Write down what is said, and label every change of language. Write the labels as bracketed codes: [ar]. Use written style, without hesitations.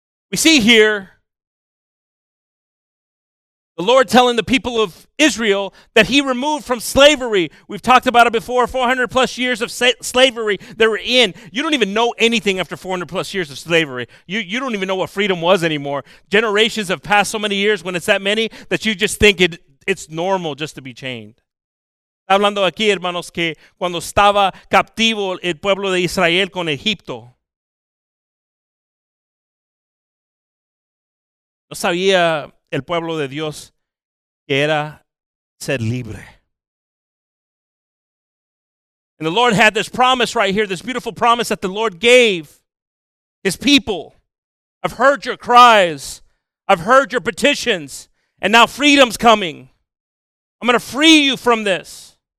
[en] We see here the Lord telling the people of Israel that he removed from slavery. We've talked about it before, 400 plus years of slavery they were in. You don't even know anything after 400 plus years of slavery. You don't even know what freedom was anymore. Generations have passed so many years when it's that many that you just think it's normal just to be chained. [es] Está hablando aquí, hermanos, que cuando estaba captivo el pueblo de Israel con Egipto, no sabía el pueblo de Dios que era ser libre. [en] And the Lord had this promise right here, this beautiful promise that the Lord gave his people. I've heard your cries. I've heard your petitions. And now freedom's coming. I'm going to free you from this.